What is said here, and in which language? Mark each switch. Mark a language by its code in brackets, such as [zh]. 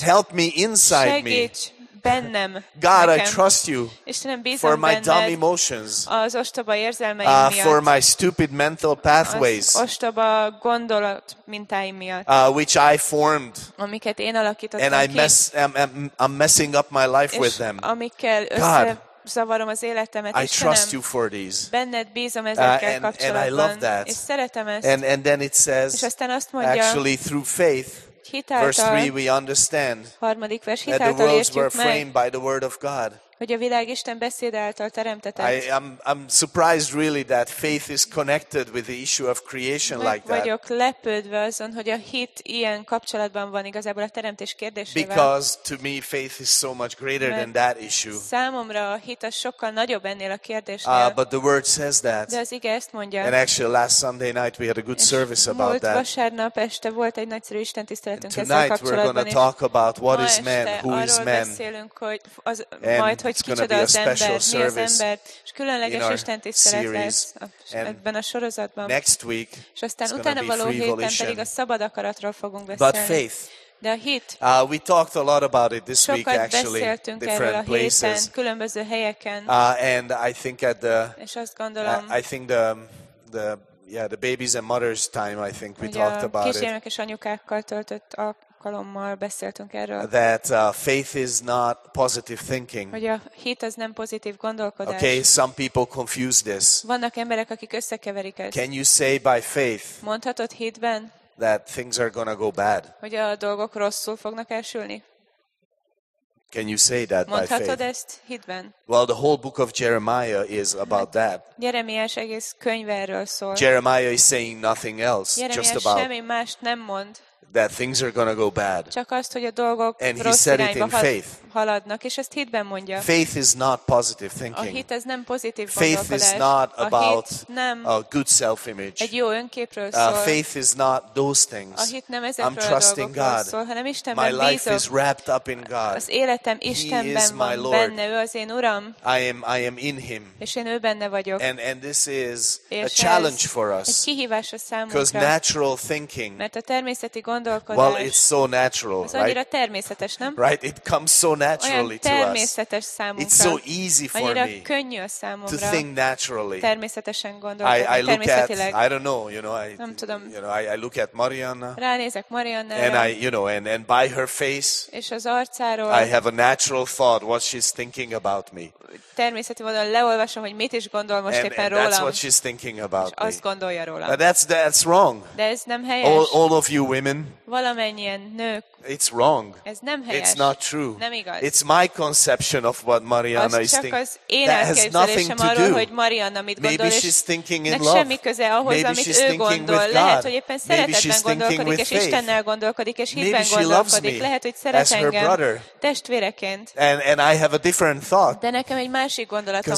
[en] Help me inside me. [hu] Segíts bennem. [en] God, I trust you. [hu] Istenem, bízom benned. [en] For my dumb emotions. [hu] Az ostoba érzelmeim miatt. [en] For my stupid mental pathways. [hu] Az ostoba gondolat mintáim miatt. [en] Which I formed. [hu] Amiket én alakítottam ki. [en] And I'm messing up my life with them. [hu] Amikkel összezavarom az életemet. [en] I trust you for these. [hu] Benned bízom ezekkel kapcsolatban. [en] And I love that. [hu] És szeretem ezt. [en] And then it says. [hu] És aztán azt mondja. [en] Actually, through faith. [hu] Hitáltal, [en] verse 3, we understand that the worlds were [hu] meg, [en] framed by the word of God. [hu] Hogy a világ Isten beszéde által teremtetett. [en] I'm surprised really that faith is connected with the issue of creation like that. [hu] Vagyok lepődve azon, hogy a hit ilyen kapcsolatban van igazából a teremtés kérdésével. [en] Because to me faith is so much greater than that issue. [hu] Számomra a hit az sokkal nagyobb ennél a kérdésnél. [en] But the word says that. [hu] De az ige ezt mondja. [en] And actually last Sunday night we had a good service about that. [hu] Múlt vasárnap este volt egy nagyszerű istentiszteletünk ezzel kapcsolatban. [en] Tonight we're going to talk about what is man, who is man. [hu] Hogy kicsoda az ember, mi az ember, és különleges istentiszteletet ebben a sorozatban. [en] Next week, [hu] és aztán utána való héten pedig a szabad akaratról fogunk beszélni. [en] But faith. [hu] De a hit. [en] We talked a lot about it this week actually. [hu] Sokat beszéltünk erről a héten, különböző helyeken. [en] And I think at the. [hu] És azt gondolom. [en] I think the babies and mothers time. I think we talked about it. [hu] Kisgyermek és anyukákkal töltött a alkalommal beszéltünk erről. [en] That faith is not positive thinking. [hu] Hogy a hit az nem pozitív gondolkodás. [en] Okay, some people confuse this. [hu] Vannak emberek, akik összekeverik ezt. [en] Can you say by faith? [hu] Mondhatod hitben? [en] That things are gonna go bad. [hu] Hogy a dolgok rosszul fognak elsülni? [en] Can you say that by faith? [hu] Mondhatod ezt hitben? [en] Well, the whole book of Jeremiah is about that. [hu] Jeremiás egész könyve erről szól. [en] Jeremiah is saying nothing else, just about. [hu] Jeremiás semmi mást nem mond. [en] That things are going to go bad. [hu] Csak azt, hogy a dolgok [en] and [hu] rossz [en] he said it in faith. [hu] Haladnak, és ezt hitben mondja. [en] Faith is not positive thinking. [hu] A hit ez nem pozitív [en] faith [hu] gondolkodás. [en] Is not [hu] a [en] about [hu] nem [en] a good self-image. [hu] Egy jó önképről szól. [en] Faith is not those things. [hu] A hit nem ezekről [en] I'm trusting [hu] a dolgokról [en] God. [hu] Szól, hanem Istenben [en] my [hu] bízok. [en] Life is wrapped up in God. [hu] Az életem Istenben [en] he is [hu] van [en] my Lord. [hu] Benne, ő az én Uram. [en] I am in him. [hu] És én ő benne vagyok. [en] And this is a challenge for us. [hu] Egy kihívás a számunkra. [en] Because natural thinking. [hu] Mert a természeti gondolkodás. [en] Well, it's so natural, [hu] az annyira természetes, nem? [en] Right? It comes so naturally to us. [hu] Olyan természetes számunkra. [en] It's so easy for me. [hu] Annyira könnyű a számomra. [en] To think naturally. [hu] Természetesen gondolkodni, természetileg. [en] I don't know, you know, I [hu] nem tudom. [en] You know, I look at Marianna. [hu] Ránézek Mariannára. [en] And I, you know, and by her face. [hu] És az arcáról. [en] I have a natural thought what she's thinking about me. [hu] Természeti módon leolvasom, hogy mit is gondol most [en] and, [hu] éppen rólam. [en] And that's what she's thinking about [hu] me. Azt gondolja rólam. [en] But that's wrong. [hu] De ez nem helyes. [en] All of you women. [hu] Valamennyien nők. [en] It's wrong. [hu] Ez nem helyes. [en] It's not true. [hu] Nem igaz. [en] It's my conception of what Mariana is thinking. [hu] Az csak az én elképzelésem arról, hogy Mariana mit gondol. [en] Maybe she's thinking in love. [hu] Semmi köze ahhoz, amit ő gondol. Lehet, hogy éppen szeretetben [en] maybe she's thinking [hu] gondolkodik, [en] with faith. [hu] És Istennel gondolkodik, és hitben [en] maybe she [hu] gondolkodik. [en] Loves me [hu] lehet, hogy szeret [en] as her [hu] engem [en] brother. [hu] Testvéreként. [en] And I have a different thought. [hu] De nekem egy másik gondolatom